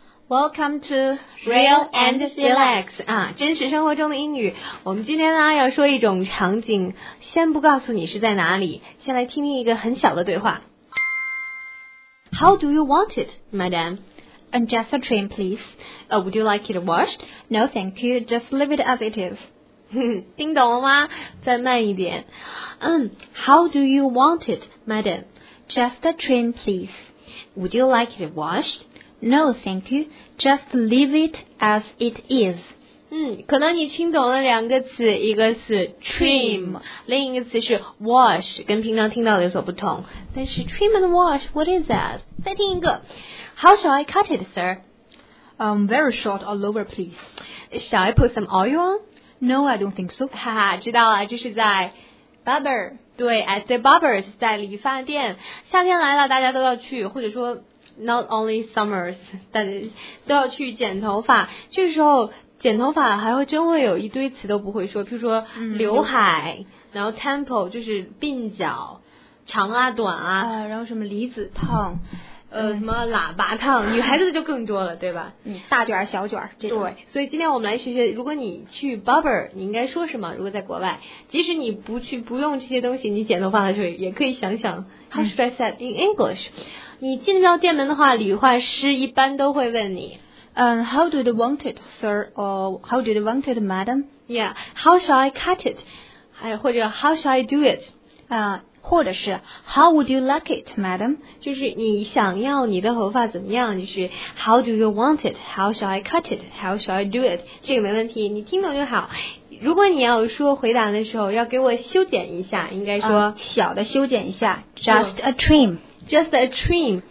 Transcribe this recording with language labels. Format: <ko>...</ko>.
<en>Welcome to Real and Relax</en> <zh>啊，真实生活中的英语。我们今天呢要说一种场景，先不告诉你是在哪里，先来听听一个很小的对话。</zh> <en>How do you want it, madam? And just a trim, please. Oh, would you like it washed? No, thank you. Just leave it as it is.</en> <zh>听懂了吗？再慢一点。</zh> <en>How do you want it, madam? Just a trim, please. Would you like it washed? No, thank you. Just leave it as it is.</en> <zh>可能你听懂了两个词，一个是 trim， 另一个词是 wash， 跟平常听到的有所不同。</zh> <en>但是 trim and wash, what is that?</en> <zh>再听一个。</zh> <en>How shall I cut it, sir? Very short or lower, please. Shall I put some oil on? No, I don't think so.</en> <zh>哈哈，知道了，这是在 barber。对 ，</zh> <en>at the barbers，</en> <zh>在理发店。夏天来了，大家都要去，或者说。</zh> <en>Not only summers,</en> <zh>大家都要去剪头发。这个时候剪头发还会真会有一堆词都不会说，譬如说刘海，然后 temple 就是鬓角，长啊短啊，然后什么离子烫，什么喇叭烫，女孩子的就更多了，对吧？大卷小卷这种。对，所以今天我们来学学，如果你去 barber， 你应该说什么？如果在国外，即使你不去不用这些东西，你剪头发的时候也可以想想</zh> <en>how should I say in English。</en> <zh>你进到店门的话，理发师一般都会问你，</zh> <en>How do you want it, sir? Or how do you want it, madam? Yeah, how shall I cut it?</en> <zh>还或者</zh> <en>how shall I do it?</en> <zh>或者是</zh> <en>how would you like it, madam?</en> <zh>就是你想要你的头发怎么样？就是</zh> <en>how do you want it? How shall I cut it? How shall I do it?</en> <zh>这个没问题，你听懂就好。如果你要说回答的时候，要给我修剪一下，应该说、小的修剪一下 ，</zh> <en>just a trim。 Just a trim，</en>